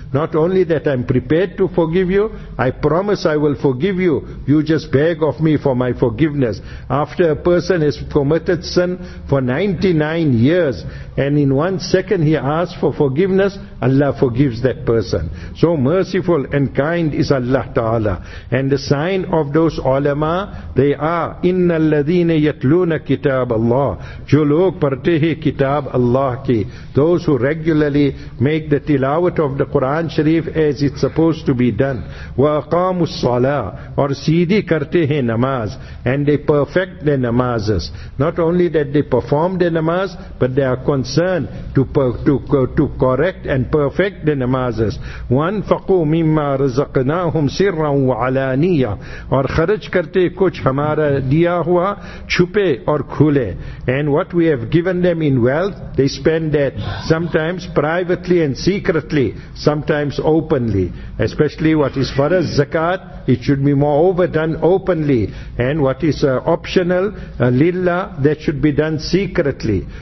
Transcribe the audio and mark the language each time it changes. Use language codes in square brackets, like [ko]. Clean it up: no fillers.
[en] Not only that, I'm prepared to forgive you, I promise I will forgive you. You just beg of me for my forgiveness. After a person has committed sin for 99 years, and in 1 second he asks for forgiveness, Allah forgives that person. So merciful and kind is Allah Ta'ala. And the sign of those ulama, they are, [ar] إِنَّ الَّذِينَ يَتْلُونَ كِتَابَ اللَّهِ [ur] جُو لُوگ پَرْتِ هِي كِتَابَ اللَّهِ كِي. [en] Those who regularly make the tilawat of the Quran Sharif as it's supposed to be done. [ar] وَأَقَامُ الصَّلَاةِ [ur] or سیدھی کرتے ہیں namaz. [en] And they perfect their namazes. Not only that they perform their namaz, but they are concerned to correct and perfect the namazes. [ar] وَانْفَقُوا مِمَّا رَزَقْنَاهُمْ سِرًّا وَعَلَانِيًّا [ur] اور خرج کرتے کچھ ہمارا دیا ہوا چھپے اور کھولے. [en] And what we have given them in wealth, they spend that sometimes privately and secretly, sometimes openly. Especially what is for us, zakat, it should be more overdone. done openly. And what is optional, lilla, that should be done secretly.